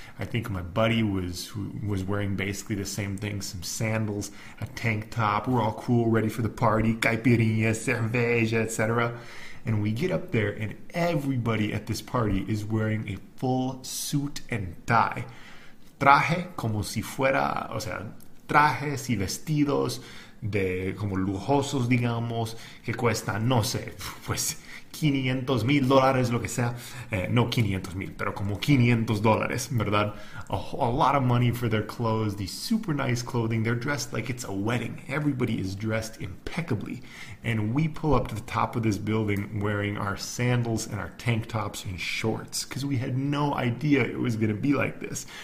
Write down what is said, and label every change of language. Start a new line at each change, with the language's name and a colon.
English: I think my buddy was wearing basically the same thing, some sandals, a tank top. We're all cool, ready for the party, caipirinha, cerveja, etc. And we get up there and everybody at this party is wearing a full suit and tie.
Spanish: Traje como si fuera, o sea, trajes y vestidos de como lujosos, digamos, que cuesta, no sé, pues $500,000, lo que sea. No 500,000, pero como $500, ¿verdad?
English: A lot of money for their clothes, the super nice clothing. They're dressed like it's a wedding. Everybody is dressed impeccably. And we pull up to the top of this building wearing our sandals and our tank tops and shorts because we had no idea it was going to be like this.